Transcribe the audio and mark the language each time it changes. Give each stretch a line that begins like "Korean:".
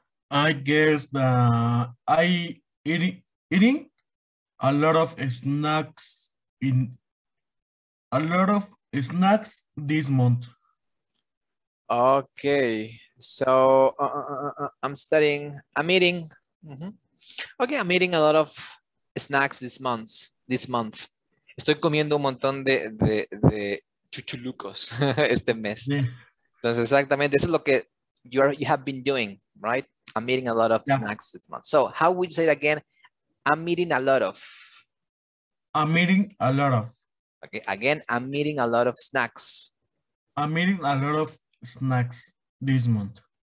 English: I guess eating a lot of snacks this month. Okay. So I'm eating. Mm-hmm. Okay, I'm eating a lot of snacks this month.
Spanish: Estoy comiendo un montón de chuchulucos este mes. Sí. Entonces, exactamente,
English: this is
Spanish: lo que
English: you have been doing, right? I'm eating a lot of snacks this month. So, how would you say it again? I'm eating a lot of. I'm eating a lot of. Okay, again, I'm eating a lot of snacks. I'm eating a lot of snacks this month.